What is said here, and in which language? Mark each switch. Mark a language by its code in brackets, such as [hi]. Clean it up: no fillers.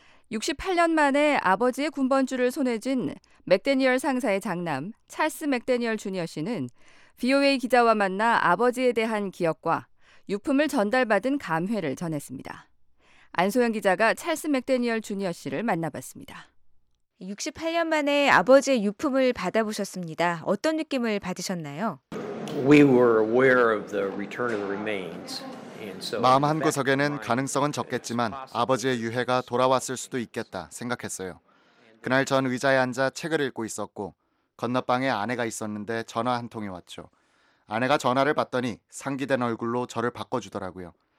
[ko] 68년 만에 아버지의 군번줄을 손에 쥔 맥대니얼 상사의 장남 찰스 맥대니얼 주니어 씨는 VOA 기자와 만나 아버지에 대한 기억과 유품을 전달받은 감회를 전했습니다. 안소영 기자가 찰스 맥대니얼 주니어 씨를 만나봤습니다. 68년 만에 아버지의 유품을 받아보셨습니다. 어떤 느낌을 받으셨나요? [en] We were aware of the return of the remains. [ko] 마음 한구석에는 가능성은 적겠지만 아버지의 유해가 돌아왔을 수도 있겠다 생각했어요. 그날 전 의자에 앉아 책을 읽고 있었고 건너방에 아내가 있었는데 전화 한 통이 왔죠. 아내가 전화를 받더니 상기된 얼굴로 저를 바꿔주더라고요.